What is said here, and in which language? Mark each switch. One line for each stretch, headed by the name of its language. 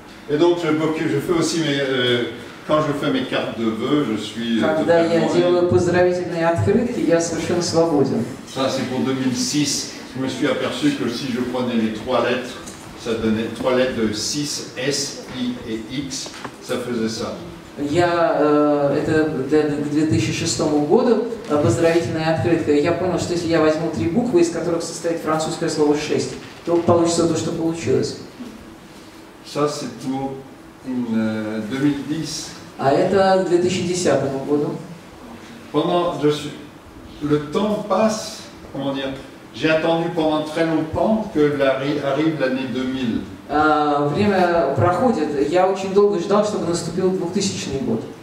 French: Et donc je fais aussi mes quand je fais mes cartes de vœux, je suis
Russian: Когда я делаю поздравительные открытки, я совершенно свободен.
French: Ça, c'est pour 2006. Je me suis aperçu que si je prenais les trois lettres, ça donnait trois lettres de 6, S, I et X, ça faisait ça.
Russian: Я это для 2006 году поздравительная открытка. Я понял, что если я возьму три буквы, из которых состоит французское слово 6, то получится то, что получилось.
French: Ça, c'est pour 2010.
Russian: А это 2010 году.
French: Pendant je suis, le temps passe, comment dire, j'ai attendu pendant très longtemps que arrive l'année 2000.
Russian: Время проходит. Я очень долго ждал, чтобы наступил 2000 год.